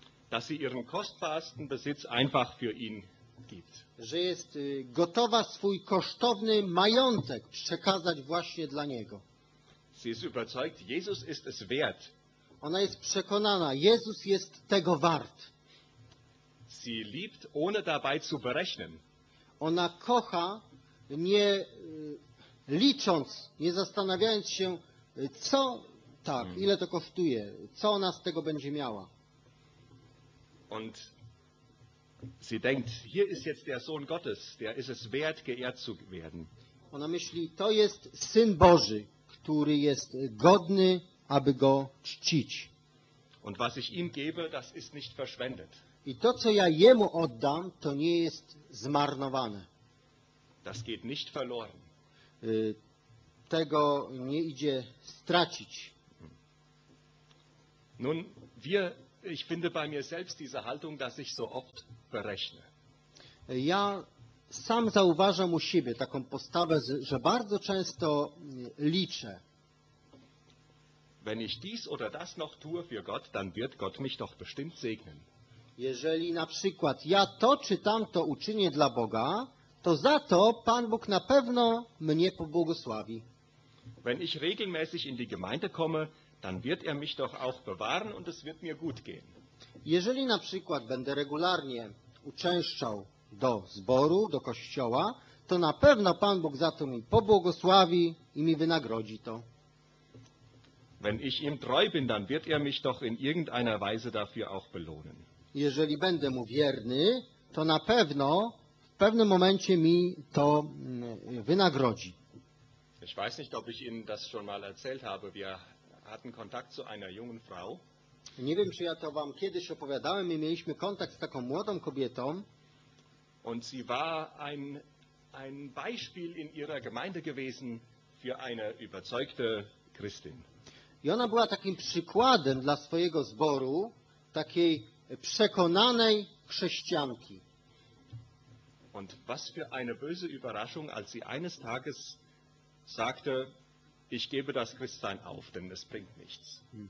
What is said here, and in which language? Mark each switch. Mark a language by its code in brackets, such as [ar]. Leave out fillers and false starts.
[de] Dass sie ihren kostbarsten Besitz einfach für ihn gibt. [pl] Że jest gotowa swój kosztowny majątek przekazać właśnie dla Niego. [de] Sie ist überzeugt, Jesus ist es wert. [pl] Ona jest przekonana, Jezus jest tego wart. [de] Sie liebt, ohne dabei zu berechnen. [pl] Ona kocha, nie licząc, nie zastanawiając się, co tak, ile to kosztuje, co ona z tego będzie miała. [de] Und sie denkt, hier ist jetzt der Sohn Gottes, der ist es wert, geehrt zu werden. [pl] Ona myśli, to jest Syn Boży, który jest godny, aby go czcić. [de] Und was ich ihm gebe, das ist nicht verschwendet. [pl] I to, co ja Jemu oddam, to nie jest zmarnowane. [de] Das geht nicht verloren. [pl] tego nie idzie stracić. [de] Nun, wir, ich finde bei mir selbst diese Haltung, dass ich so oft berechne. [pl] Ja sam zauważam u siebie taką postawę, że bardzo często liczę. [de] Wenn ich dies oder das noch tue für Gott, dann wird Gott mich doch bestimmt segnen. [pl] Jeżeli na przykład ja to czy tamto uczynię dla Boga, to za to Pan Bóg na pewno mnie pobłogosławi. [de] Wenn ich regelmäßig in die Gemeinde komme, dann wird mich doch auch bewahren und es wird mir gut gehen. [pl] Jeżeli na przykład będę regularnie uczęszczał do zboru, do kościoła, to na pewno Pan Bóg za to mi pobłogosławi i mi wynagrodzi to. [de] Wenn ich ihm treu bin, dann wird mich doch in irgendeiner Weise dafür auch belohnen. [pl] Jeżeli będę mu wierny, to na pewno w pewnym momencie mi to wynagrodzi. [de] Ich weiß nicht, ob ich Ihnen das schon mal erzählt habe. Wir hatten Kontakt zu einer jungen Frau. [pl] Nie wiem, czy ja to wam kiedyś opowiadałem, i mieliśmy kontakt z taką młodą kobietą. [de] Und sie war ein Beispiel in ihrer Gemeinde gewesen für eine überzeugte Christin. [pl] I ona była takim przykładem dla swojego zboru, takiej przekonanej chrześcianki. [de] Und was für eine böse Überraschung, als sie eines Tages sagte, ich gebe das Christsein auf, denn es bringt nichts.